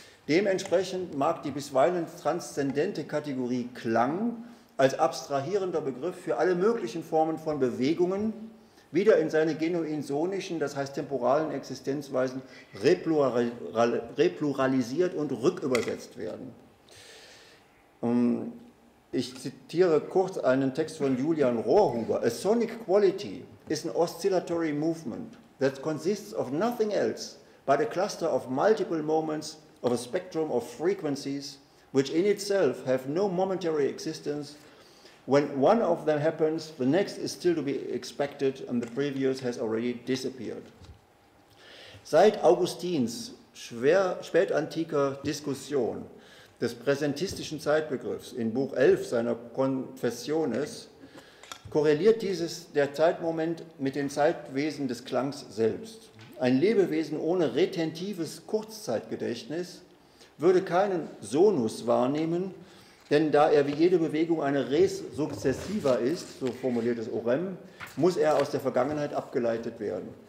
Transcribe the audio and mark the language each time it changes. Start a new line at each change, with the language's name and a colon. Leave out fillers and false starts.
German: Dementsprechend mag die bisweilen transzendente Kategorie Klang als abstrahierender Begriff für alle möglichen Formen von Bewegungen wieder in seine genuin sonischen, das heißt temporalen Existenzweisen, repluralisiert und rückübersetzt werden. Ich zitiere kurz einen Text von Julian Rohrhuber.
English: A sonic quality is an oscillatory movement that consists of nothing else but a cluster of multiple moments of a spectrum of frequencies which in itself have no momentary existence. When one of them happens, the next is still to be expected and the previous has already disappeared.
German: Seit Augustins spätantiker Diskussion des präsentistischen Zeitbegriffs in Buch 11 seiner Confessiones korreliert dieses der Zeitmoment mit den Zeitwesen des Klangs selbst. Ein Lebewesen ohne retentives Kurzzeitgedächtnis würde keinen Sonus wahrnehmen, denn da er wie jede Bewegung eine Res successiva ist, so formuliert es Orem, muss er aus der Vergangenheit abgeleitet werden.